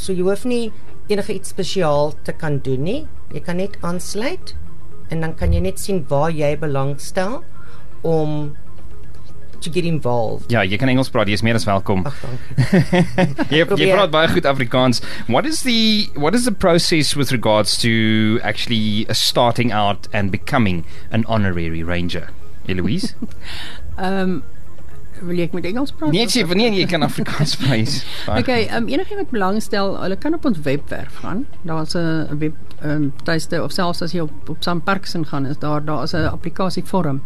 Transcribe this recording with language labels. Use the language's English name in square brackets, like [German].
[Afrikaans] So jy hoef nie enige iets spesiaal te kan doen nie. Jy kan net aansluit en dan kan jy net sien waar jy belang stel om [English] to get involved. [Afrikaans] Ja, jy kan Engels praat, jy is meer as welkom. Ach, dankie. jy praat baie goed Afrikaans. [English] What is the process with regards to actually starting out and becoming an honorary ranger? [Afrikaans] Eloise? Wil jy ek met Engels praat? Nee, jy kan Afrikaans praat. Okay, enig iemand belangstel, hulle kan op ons webwerf gaan. Daar is een web tuiste, of selfs as jy op Sam Parkson gaan, is daar is een applikasie vorm.